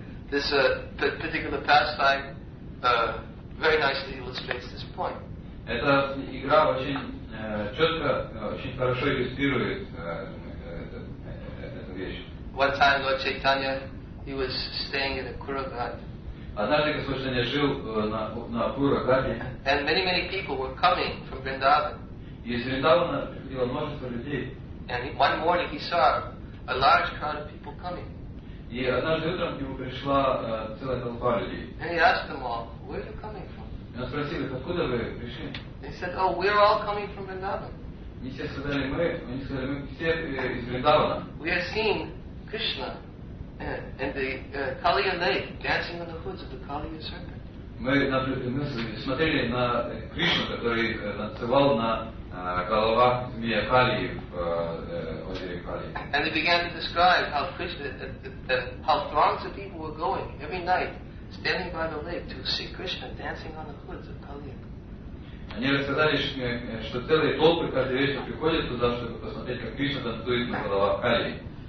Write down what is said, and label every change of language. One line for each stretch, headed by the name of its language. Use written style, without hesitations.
English: This particular pastime very nicely illustrates this point.
Russian: Эта игра очень четко, очень хорошо иллюстрирует эту вещь.
English: One time Lord Chaitanya, he was staying in a Kuragat.
Russian: Однажды Господь Чайтанья жил на Кураганте.
English: And many people were coming from Vrindavan.
Russian: Из Вриндавана приходило множество людей.
English: And one morning he saw a large crowd of people coming.
Russian: И однажды утром к нему пришла целая толпа людей.
English: And he asked them all, where are you coming from?
Russian: И он спросил, откуда вы пришли?
English: They said, oh, we are all coming from Vrindavan.
Russian: И все сказали, мы. Они сказали, мы все из Вриндавана.
English: We are seeing Krishna and the Kaliya lake dancing on the hoods of the Kaliya serpent.
Russian: Мы смотрели на Кришну, который танцевал на голова змея Кали в озере Кали.
English: And they began to describe how Krishna, how throngs of people were going every night, standing by the lake to see Krishna dancing on the hoods of Kali.
Russian: Они рассказали, что целые толпы каждый вечер приходят туда, чтобы посмотреть, как Кришна танцует на голова Кали.